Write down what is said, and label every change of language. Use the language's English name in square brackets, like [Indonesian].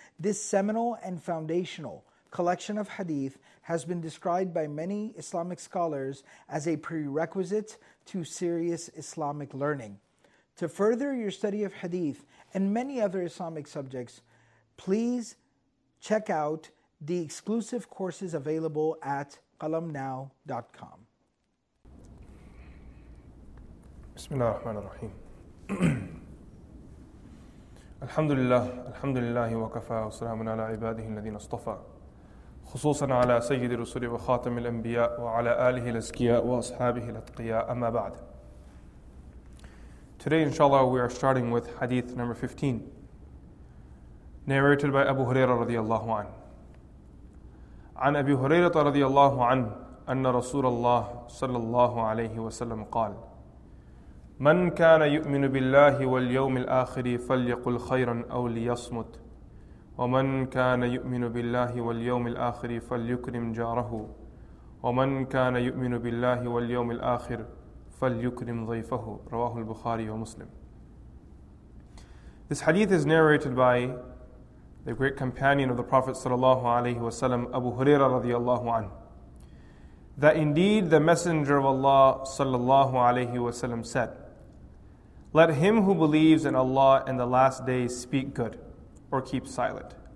[English] This seminal and foundational collection of hadith has been described by many Islamic scholars as a prerequisite to serious Islamic learning. To further your study of hadith and many other Islamic subjects, please check out the exclusive courses available at qalamnow.com. [Arabic] بسم الله الرحمن الرحيم الحمد لله الحمد لله وكفى والسلام على عباده الذين اصطفى خصوصا على سيد الرسل وخاتم الانبياء وعلى اله الازكياء واصحابه الاتقياء اما بعد. [English] Today inshallah we are starting with hadith number 15 narrated by Abu Huraira [Arabic] رضي الله عنه عن أبي هريرة رضي الله عنه أن رسول الله صلى الله عليه وسلم قال من كان يؤمن بالله واليوم الآخر فليقل خيرا أو ليصمت ومن كان يؤمن بالله واليوم الآخر فليكرم جاره ومن كان يؤمن بالله واليوم الآخر فليكرم ضيفه رواه البخاري ومسلم. [English] This hadith is narrated by the great companion of the Prophet sallallahu alaihi wasallam Abu Huraira radiyallahu anhu that indeed the Messenger of Allah sallallahu alaihi wasallam said, let him who believes in Allah and the last days speak good or keep silent.